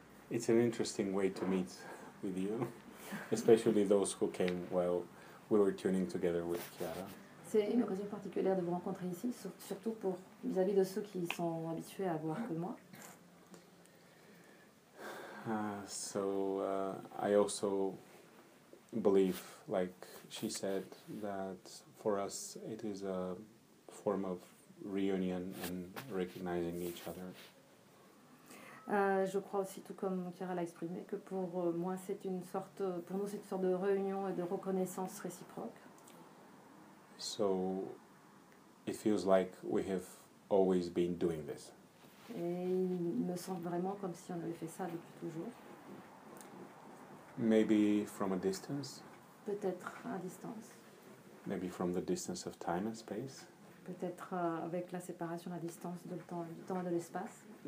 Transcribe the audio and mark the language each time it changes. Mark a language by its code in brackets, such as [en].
[en] It's an interesting way to meet with you, especially those who came while we were tuning together with Chiara. [fr] C'est une occasion particulière de vous rencontrer ici, surtout pour vis-à-vis de ceux qui sont habitués à voir que moi. [en] I also believe, like she said, that for us it is a form of reunion and recognizing each other. [fr] Je crois aussi, tout comme Chiara l'a exprimé, que pour moi c'est une sorte, pour nous c'est une sorte de réunion et de reconnaissance réciproque. [en] So it feels like we have always been doing this. [fr] Et il me semble vraiment comme si on avait fait ça depuis toujours. [en] Maybe from a distance. [fr] Peut-être à distance. [en] Maybe from the distance of time and space. [fr] Peut-être avec la séparation, la distance de le temps, du temps et de l'espace.